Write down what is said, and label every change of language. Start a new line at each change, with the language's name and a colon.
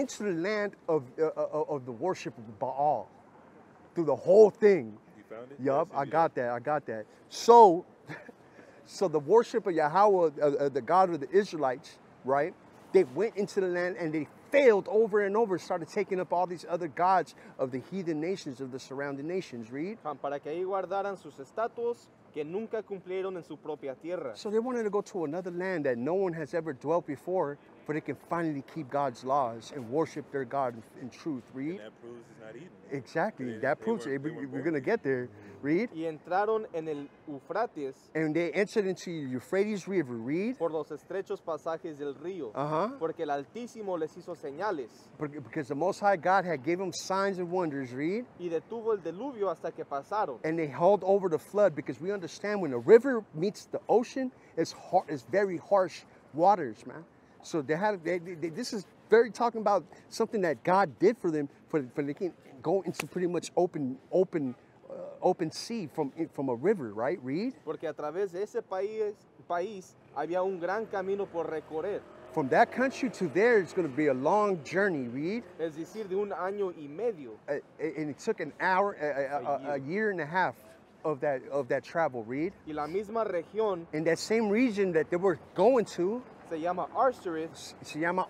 English: Into the land of the worship of Baal through the whole thing. You found it? Yup, yes, I got that. So the worship of Yahweh, the God of the Israelites, right? They went into the land and they failed over and over, started taking up all these other gods of the heathen nations, of the surrounding nations, read.
Spanish: Para que ahí guardaran sus estatuas que nunca cumplieron en su propia tierra.
English: So they wanted to go to another land that no one has ever dwelt before, for they can finally keep God's laws and worship their God in truth, read. And that proves it's not Eden. Exactly, we're going to get there, read.
Spanish: Y entraron en el Eufrates.
English: And they entered into the Euphrates River, read.
Spanish: Por los estrechos pasajes del río. Uh-huh. Porque el Altísimo les hizo señales.
English: Because the Most High God had given them signs and wonders, read.
Spanish: Y detuvo el diluvio hasta que pasaron.
English: And they held over the flood, because we understand when a river meets the ocean, it's very harsh waters, man. So they had. This is very talking about something that God did for them, for they can go into pretty much open sea from a river, right? Read.
Spanish: Porque a través de ese país había un gran camino por recorrer.
English: From that country to there, it's going to be a long journey. Read.
Spanish: Es decir, de un año y medio.
English: And it took an hour, a year and a half of that travel. Read.
Spanish: Y la misma región.
English: In that same region that they were going to.
Spanish: Se llama